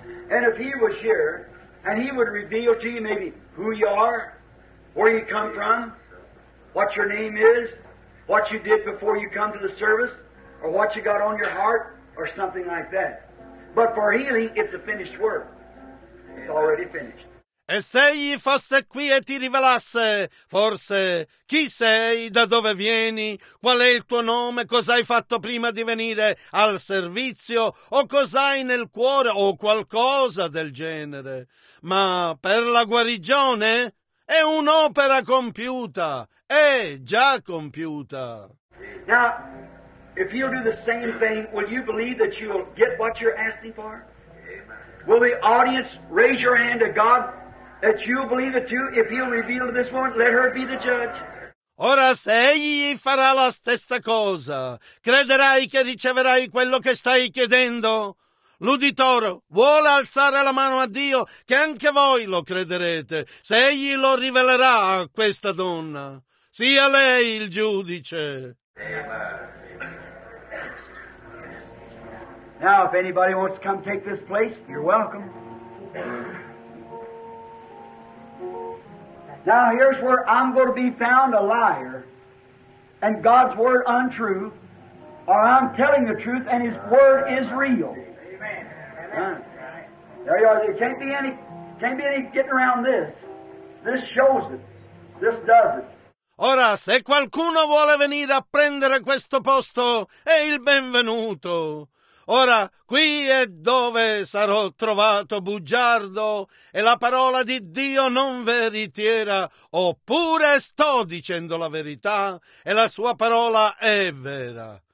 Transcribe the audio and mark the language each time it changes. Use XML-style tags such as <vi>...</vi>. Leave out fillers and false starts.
<en>And if he was here, and he would reveal to you maybe who you are, where you come from, what your name is, what you did before you come to the service, or what you got on your heart, or something like that. But for healing, it's a finished work. It's already finished.</en> <it>E se egli fosse qui e ti rivelasse, forse, chi sei, da dove vieni, qual è il tuo nome, cosa hai fatto prima di venire al servizio, o cos'hai nel cuore, o qualcosa del genere. Ma per la guarigione è un'opera compiuta, è già compiuta.</it> <en>Now, if you'll do the same thing, will you believe that you'll get what you're asking for? Will the audience raise your hand to God? That you believe it too, if he'll reveal to this woman, let her be the judge.</en> <it>Ora, se egli farà la stessa cosa, crederai che riceverai quello che stai chiedendo? L'uditore vuole alzare la mano a Dio, che anche voi lo crederete, se egli lo rivelerà a questa donna. Sia lei il giudice.</it> <en>Amen. Now, if anybody wants to come take this place, you're welcome. Now here's where I'm going to be found a liar, and God's word untrue, or I'm telling the truth and His word is real. Amen. There you are. There can't be any getting around this. This shows it. This does it.</en> <it>Ora, se qualcuno vuole venire a prendere questo posto, è il benvenuto. Ora, qui è dove sarò trovato bugiardo e la parola di Dio non veritiera, oppure sto dicendo la verità e la sua parola è vera.</it>